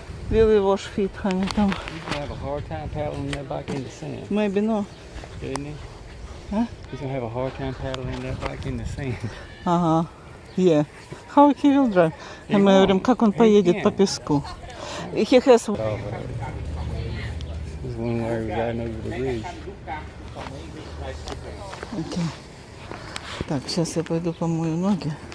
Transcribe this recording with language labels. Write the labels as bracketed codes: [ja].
[en] Will you wash feet, honey? Tom? He's gonna have a hard time paddling that bike in the sand. Maybe no. Didn't he? Huh? He's gonna have a hard time paddling that bike in the sand. Uh-huh. Yeah. How he will drive? He and won't. [ru] Говорим, как он поедет по песку? [en] He has. This one where we're riding over the bridge. Okay. [ru] Так, сейчас я пойду помою ноги.